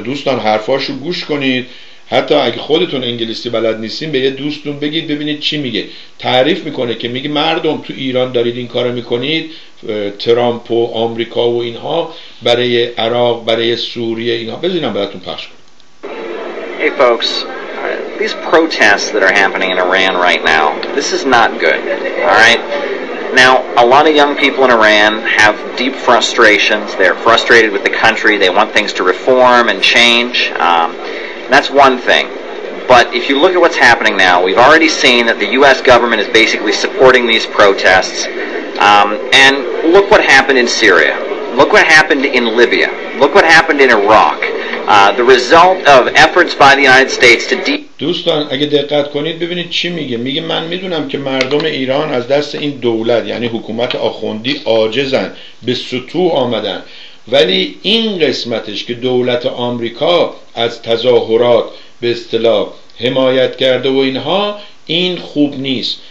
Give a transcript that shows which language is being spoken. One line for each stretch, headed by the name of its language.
Persian: دوستان حرفاشو گوش کنید، حتی اگه خودتون انگلیسی بلد نیستین به یه دوستون بگید ببینید چی میگه. تعریف میکنه که میگه مردم تو ایران دارید این کارو میکنید، ترامپ و آمریکا و اینها، برای عراق، برای سوریه، اینها بزنین براتون پخش کنم.
English: Hey folks, these protests that are happening in Iran right now, this is not good. All right? Now, a lot of young people in Iran have deep frustrations. They're frustrated with the country. They want things to reform and change. That's one thing. But if you look at what's happening now, we've already seen that the U.S. government is basically supporting these protests. And look what happened in Syria. Look what happened in Libya. Look what happened in Iraq. The result of efforts by the United States to
Persian: دوستان اگه دقت کنید ببینید چی میگه. میگه من میدونم که مردم ایران از دست این دولت، یعنی حکومت آخوندی، عاجزن، به سطوح آمدن، ولی این قسمتش که دولت آمریکا از تظاهرات به اصطلاح حمایت کرده و اینها، این خوب نیست.